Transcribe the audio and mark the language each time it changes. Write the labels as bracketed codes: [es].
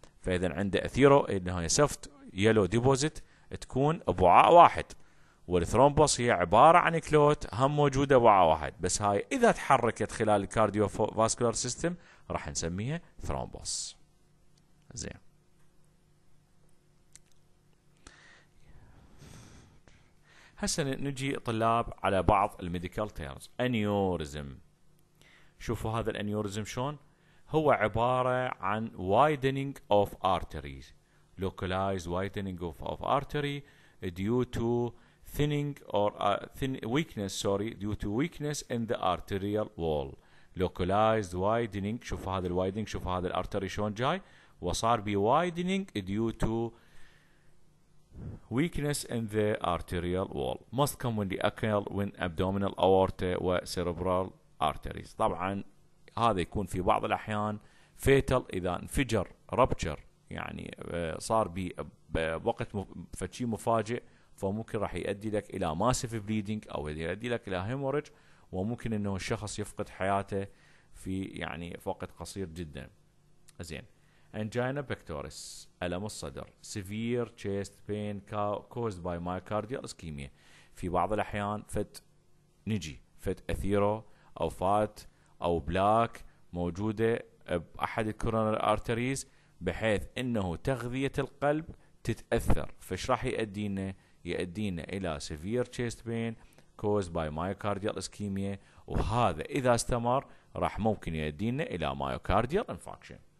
[ar] فاذا عنده اثيرو اللي هي سفت يلو ديبوزيت تكون بوعاء واحد، والثرومبوس هي عبارة عن كلوت هم موجودة وعاء واحد، بس هاي إذا تحركت خلال الكارديو فاسكولار سيستم راح نسميها ثرومبوس. زين هسه نجي طلاب على بعض الميديكال تيرمز. انيوريزم، شوفوا هذا الانيوريزم شون، هو عبارة عن [en] widening of arteries، localized widening of artery due to thinning or weakness, sorry, due to weakness in the arterial wall. Localized widening. [ar] شوف هذا الوايدنج، شوف هذا الارتري شلون جاي، وصار بي [en] widening due to weakness in the arterial wall. Most commonly occur when abdominal aorta و cerebral arteries. [ar] طبعا هذا يكون في بعض الأحيان fatal إذا انفجر rupture، يعني صار بوقت فشي مفاجئ، فممكن راح يؤدي لك الى massive bleeding او يؤدي لك الى hemorrhage، وممكن انه الشخص يفقد حياته في يعني وقت قصير جدا. [en] زين angina pectoris، [ar] الم الصدر، [en] severe chest pain caused by myocardial ischemia. [ar] في بعض الاحيان فت نجي فت اثيرو او فات او بلاك موجوده باحد الكورونري ارتريز، بحيث انه تغذيه القلب تتاثر، فايش راح يؤدي لنا؟ يؤدينا إلى [en] severe chest pain caused by myocardial ischemia، [ar] وهذا إذا استمر راح ممكن يؤدينا إلى myocardial infarction.